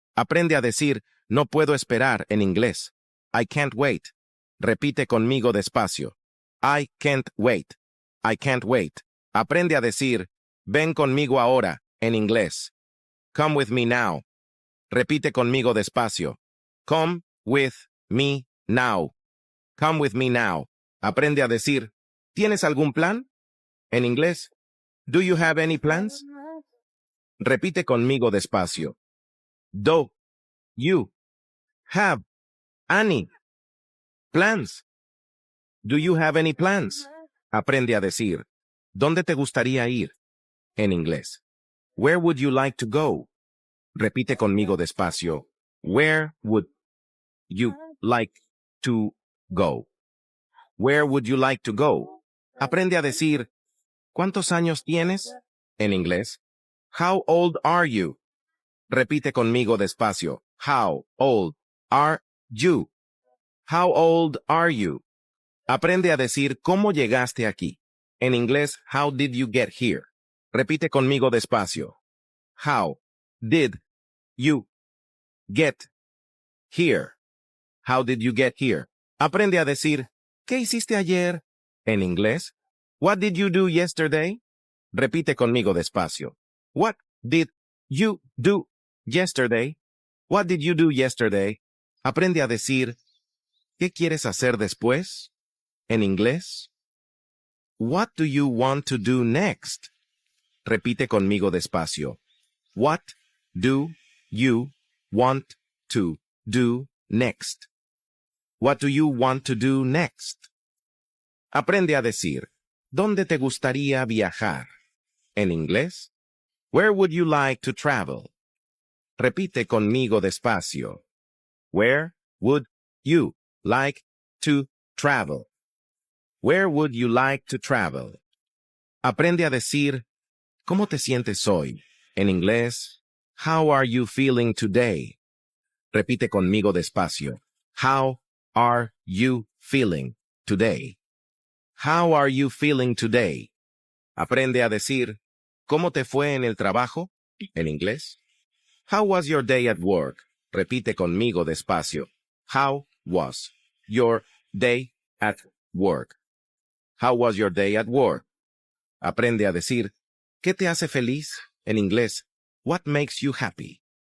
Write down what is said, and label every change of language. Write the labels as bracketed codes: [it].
[es] Aprende a decir, no puedo esperar, en inglés. [en] I can't wait. [es] Repite conmigo despacio. [en] I can't wait. I can't wait. [es] Aprende a decir, ven conmigo ahora, en inglés. [en] Come with me now. [es] Repite conmigo despacio. [en] Come with me now. Come with me now. [es] Aprende a decir, ¿Tienes algún plan? En inglés, [en] do you have any plans? [es] Repite conmigo despacio. [en] Do you have any plans? Do you have any plans? [es] Aprende a decir, ¿dónde te gustaría ir? En inglés, [en] where would you like to go? [es] Repite conmigo despacio. [en] Where would you like to go? Where would you like to go? [es] Aprende a decir, ¿cuántos años tienes? En inglés, [en] how old are you? [es] Repite conmigo despacio. [en] How old are you? How old are you? [es] Aprende a decir, ¿cómo llegaste aquí? En inglés, [en] how did you get here? [es] Repite conmigo despacio. [en] How did you get here? How did you get here? [es] Aprende a decir, ¿qué hiciste ayer? En inglés, [en] what did you do yesterday? [es] Repite conmigo despacio. [en] What did you do yesterday? What did you do yesterday? [es] Aprende a decir, ¿qué quieres hacer después? En inglés, [en] what do you want to do next? [es] Repite conmigo despacio. [en] What do you want to do next? What do you want to do next? [es] Aprende a decir, ¿dónde te gustaría viajar? En inglés, [en] where would you like to travel? [es] Repite conmigo despacio. [en] Where would you like to travel? Where would you like to travel? [es] Aprende a decir, ¿cómo te sientes hoy? En inglés, [en] how are you feeling today? [es] Repite conmigo despacio. [en] How are you feeling today? How are you feeling today? [es] Aprende a decir, ¿cómo te fue en el trabajo? En inglés, [en] how was your day at work? [es] Repite conmigo despacio. [en] How was your day at work? How was your day at work? [es] Aprende a decir, ¿qué te hace feliz? En inglés, [en] what makes you happy?